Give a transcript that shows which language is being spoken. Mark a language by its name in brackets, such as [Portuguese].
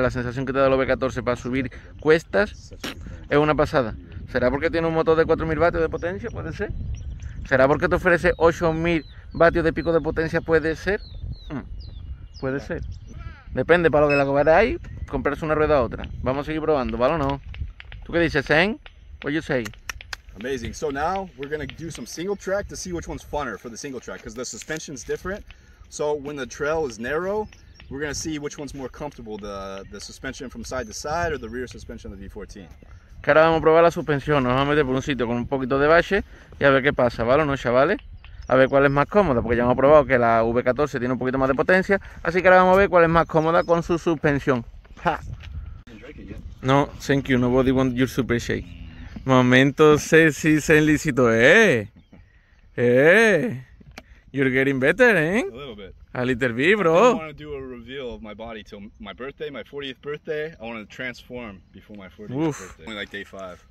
[Spanish] La sensación que te da la V14 para subir cuestas es una pasada. ¿Será porque tiene un motor de 4000 vatios de potencia? ¿Puede ser? ¿Será porque te ofrece 8000 vatios de pico de potencia? ¿Puede ser? Puede ser. Depende, para lo que la cobráis, comprarse una rueda a otra. Vamos a seguir probando, ¿vale o no? ¿Tú qué dices, Zen? [English] What you say? Amazing. So now we're going to do some single track to see which one's funner for the single track, because the suspension is different. So when the trail is narrow, we're going to see which one's more comfortable, the suspension from side to side or the rear suspension of the V14. [Spanish] Que ahora vamos a probar la suspensión. Nos vamos a meter por un sitio con un poquito de valle y a ver qué pasa, ¿vale o no, chavales? A ver cuál es más cómoda, porque ya hemos probado que la V14 tiene un poquito más de potencia. Así que ahora vamos a ver cuál es más cómoda con su suspensión. ¡Ja! [English] No, thank you, nobody wants your super shake. [Spanish] Momento sexy, sencillito, [English] You're getting better, A little bit. A little bit, bro. I want to do a reveal of my body till my birthday, my 40th birthday. I want to transform before my 40th birthday. Only like day 5.